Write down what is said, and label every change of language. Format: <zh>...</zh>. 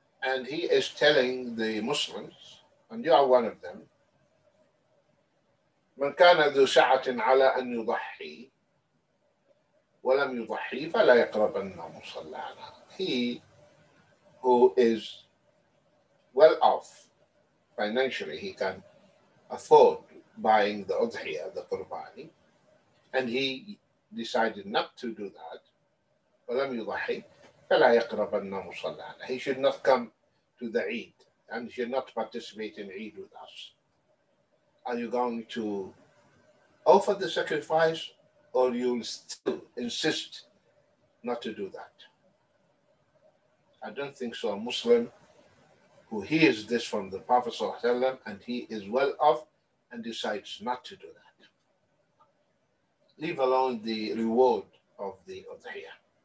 <en>And he is telling the Muslims, and you are one of them,</en> <ar>من كان ذو سعة على أن يضحي ولم يضحي فلا يقربن مصلانا.</ar> <en>He who is well off financially, he can afford buying the udhiyah, the qurbani, and he decided not to do that.</en> <ar>ولم يضحي فلا يقربن مصلانا.</ar> <en>He should not come to the Eid and he should not participate in Eid with us. Are you going to offer the sacrifice or you will still insist not to do that? I don't think so. A Muslim who hears this from the Prophet and he is well off and decides not to do that, leave alone the reward of the udhiyah.</en>